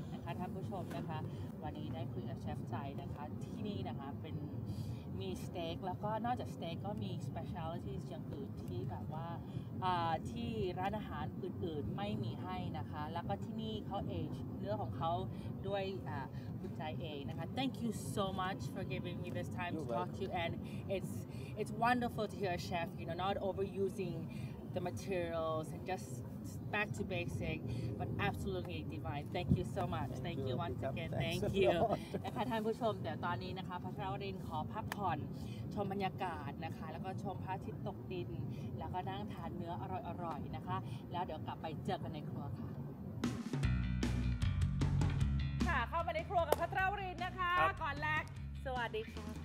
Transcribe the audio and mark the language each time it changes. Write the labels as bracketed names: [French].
[Thai] นะคะท่านผู้ชมนะคะวันนี้ได้คุยกับเชฟชัยนะคะที่นี่นะคะเป็นมีสเต็กแล้วก็นอกจากสเต็กก็มีสเปเชียลิตี้อย่างอื่นที่แบบว่าที่ร้านอาหารอื่นๆไม่มีให้นะคะแล้วก็ที่นี่เขาเอจเนื้อของเขาด้วยคุณชายเองนะคะ [English] Thank you so much for giving me this time to talk to you and it's wonderful to hear a chef not overusing the materials and just back to basic but absolutely divine Thank you so much Thank you once again [Thai] นะคะท่านผู้ชมเดี๋ยวตอนนี้นะคะพัชรวรินทร์ขอพักผ่อนชมบรรยากาศนะคะแล้วก็ชมพระอาทิตย์ตกดินแล้วก็นั่งทานเนื้ออร่อยๆนะคะแล้วเดี๋ยวกลับไปเจอกันในครัวค่ะค่ะเข้ามาในครัวกับพัชรวรินทร์นะคะก่อนแรกสวัสดีค่ะ